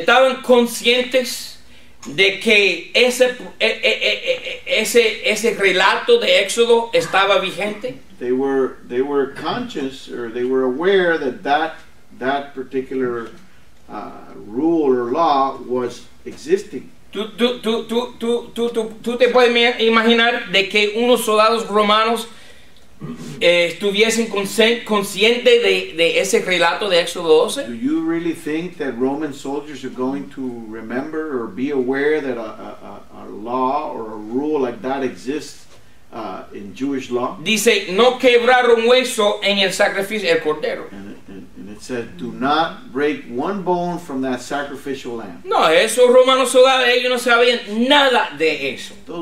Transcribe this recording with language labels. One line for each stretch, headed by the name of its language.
Spanish: estaban conscientes de que ese relato de Éxodo estaba vigente.
English: They were conscious, or they were aware that particular rule or law was existing.
Spanish: Tú te puedes imaginar de que unos soldados romanos estuviesen conscientes de ese relato de Éxodo 12?
English: Do you really think that Roman soldiers are going to remember or be aware that a law or a rule like that exists in Jewish law?
Spanish: Dice, no quebrar un hueso en el sacrificio del cordero.
English: And it said, do not break one bone from that sacrificial lamb.
Spanish: No, esos romanos soldados, ellos no sabían nada de eso.